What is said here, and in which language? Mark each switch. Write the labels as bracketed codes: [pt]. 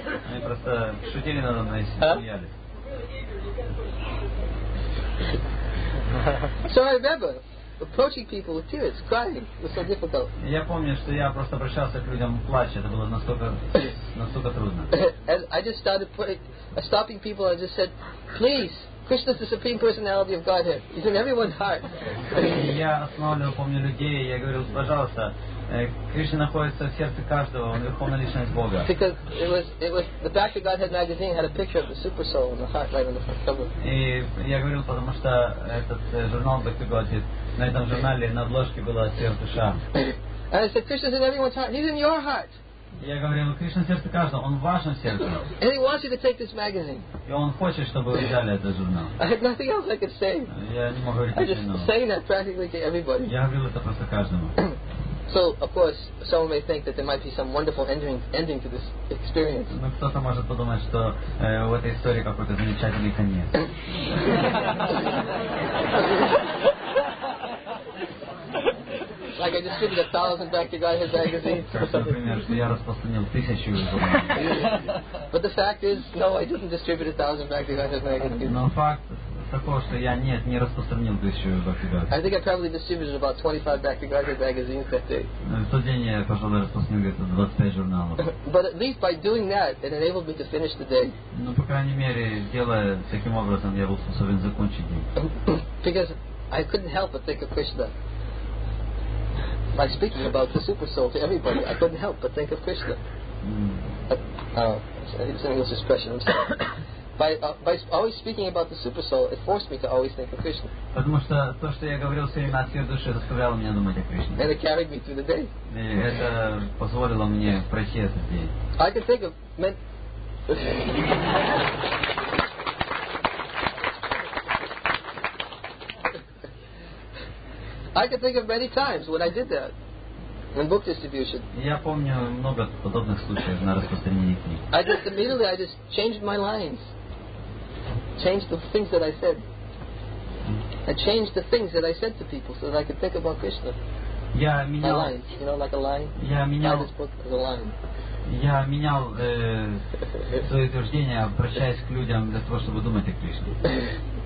[ru] Они просто шутили надо мной и смеялись. [en] So I remember approaching people with tears, crying. It was so difficult. [ru] Я помню, что я просто обращался к людям, плача. Это было настолько трудно. [en] And I just started stopping people. I just said, "Please, Krishna is the supreme personality of Godhead. He's in everyone's heart." [ru] Я останавливал, помню, людей. Я говорил, пожалуйста, Кришна находится в сердце каждого. Он верховная личность Бога. [en] Because it was the Back to Godhead magazine had a picture of the super soul in the heart, right on the front cover. [ru] И я говорил, потому что этот журнал Back to Godhead, на этом журнале на обложке было сердце Ша. [en] And I said, Krishna's in everyone's heart. He's in your heart. [ru] Я говорил, Кришна в сердце каждого, он в вашем сердце. [en] And he wants you to take this magazine. [ru] И он хочет, чтобы вы взяли этот журнал. [en] I had nothing else I could say. [ru] Я не мог говорить ничего. [en] I just saying that practically to everybody. [ru] Я говорил это просто каждому. [en] So, of course, someone may think that there might be some wonderful ending to this experience. [ru] Ну, кто-то может подумать, что в этой истории какой-то замечательный конец. [en] Like I distributed 1,000 Back to Godhead magazines. [ru] Например, что я распространил 1,000 журналов. [en] But the fact is, no, I didn't distribute 1,000 Back to Godhead magazines. [ru] Но факт такой, что я не распространил 1,000 Back to Godhead. [en] I think I probably distributed about 25 Back to Godhead magazines that day. [ru] В тот день я, пожалуй, распространил где-то 25 журналов. [en] But at least by doing that, it enabled me to finish the day. [ru] Ну, по крайней мере, делая таким образом, я был способен закончить день. [en] Because I couldn't help but think of Krishna. By speaking about the super soul to everybody, I couldn't help but think of Krishna. It's an English expression. I'm sorry. By always speaking about the super soul, it forced me to always think of Krishna. [ru] Потому что то, что я говорил все время о своей душе, заставляло меня думать о Кришне. [en] And it carried me through the day. [ru] Это позволило мне пройти этот день. [en] I can think of I can think of many times when I did that in book distribution. [ru] Я помню много подобных случаев на распространении книг. [en] I just immediately changed my lines, changed the things that I said. I changed the things that I said to people so that I could think about Krishna. [ru] Я менял. [en] My lines, you know, like a line. [ru] Я менял. [en] This book is a line. [ru] Я менял свои утверждения, обращаясь к людям для того, чтобы думать о Кришне.